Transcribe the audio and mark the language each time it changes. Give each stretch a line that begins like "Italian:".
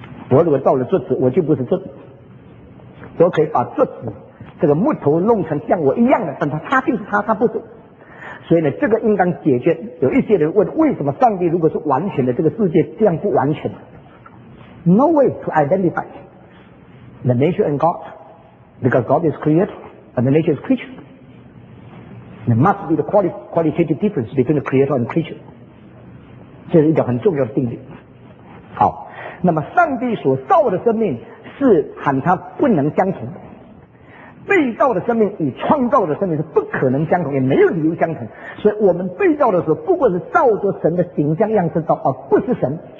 Chinese: 我如果造了桌子，我就不是桌子，我可以把桌子这个木头弄成像我一样的，但它就是它不是。所以呢，这个应当解决。有一些人问，为什么上帝如果是完全的，这个世界这样不完全？
English: No way to identify the nature and God, because God is creator and the nature is creature. There must be the qualitative difference between the creator and creature.
Chinese: 这是一个很重要的定律。好，那么上帝所造的生命是喊他不能相同的，被造的生命与创造的生命是不可能相同，也没有理由相同。所以我们被造的时候，不过是照着神的形象样式造，而不是神。